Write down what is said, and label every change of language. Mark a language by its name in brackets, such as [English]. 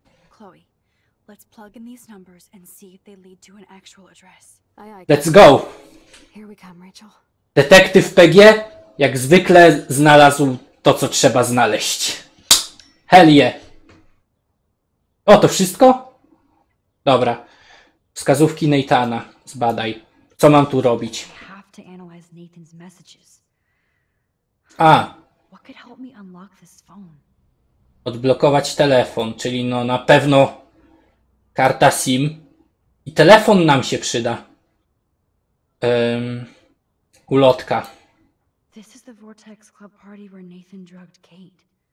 [English] Chloe, let's plug in these numbers and see if they lead to an actual address. Let's go. Here we come, Rachel. [Polish] Detektyw PG, jak zwykle, znalazł to, co trzeba znaleźć. [English] Hell yeah. [Polish] O, to wszystko? Dobra. Wskazówki Nathana. Zbadaj. Co mam tu robić? [English] Have to analyze Nathan's messages. A. What could help me unlock this phone? [Polish] Odblokować telefon, czyli no na pewno karta SIM i telefon nam się przyda. Ulotka. [English] This is the Vortex Club party where Nathan drugged Kate.